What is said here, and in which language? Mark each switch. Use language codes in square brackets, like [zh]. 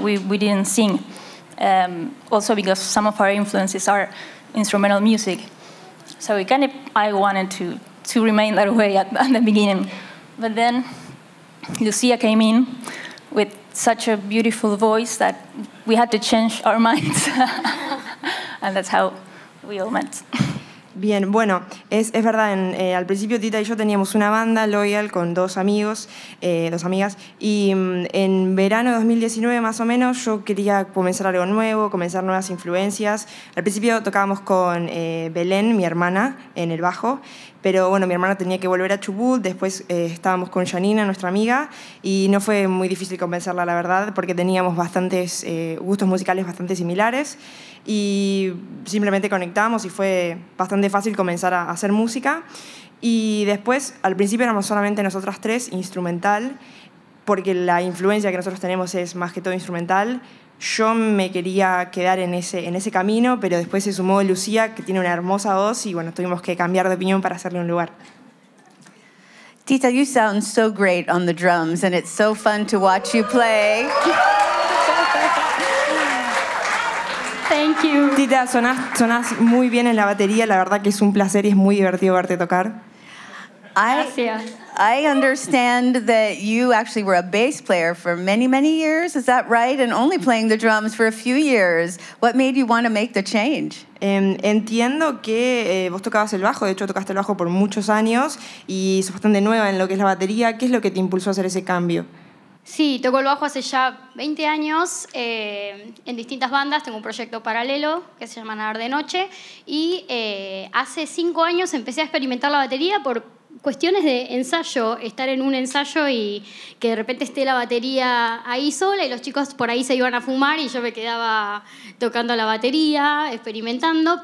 [en] We didn't sing, also because some of our influences are instrumental music. So I wanted to remain that way at the beginning. But then Lucía came in with such a beautiful voice that we had to change our minds. And that's how we all met. [es] Bien, bueno, es verdad, al principio Tita y yo teníamos una banda, Loyal, con dos amigas, y en verano de 2019, más o menos, yo quería comenzar algo nuevo, comenzar nuevas influencias. Al principio tocábamos con Belén, mi hermana, en el bajo, pero bueno, mi hermana tenía que volver a Chubut, después estábamos con Yanina, nuestra amiga, y no fue muy difícil convencerla, la verdad, porque teníamos bastantes gustos musicales bastante similares, y simplemente conectamos y fue bastante fácil comenzar a hacer música. Y después, al principio éramos solamente nosotras 3, instrumental, porque la influencia que nosotros tenemos es más que todo instrumental. Yo me quería quedar en ese camino, pero después se sumó Lucía, que tiene una hermosa voz, y bueno, tuvimos que cambiar de opinión para hacerle un lugar. [en] Tita, you sound so great on the drums, and it's so fun to watch you play. Thank you. [es] Tita, sonás muy bien en la batería, la verdad que es un placer y es muy divertido verte tocar. [en] I understand that you actually were a bass player for many, many years, is that right? And only playing the drums for a few years. What made you want to make the change? Entiendo que vos tocabas el bajo, de hecho tocaste el bajo por muchos años y sos bastante nueva en lo que es la batería. ¿Qué es lo que te impulsó a hacer ese cambio? [es] Sí, toco el bajo hace ya 20 años en distintas bandas. Tengo un proyecto paralelo que se llama Nadar de Noche. Y hace 5 años empecé a experimentar la batería por cuestiones de ensayo, estar en un ensayo y que de repente esté la batería ahí sola y los chicos por ahí se iban a fumar y yo me quedaba tocando la batería, experimentando.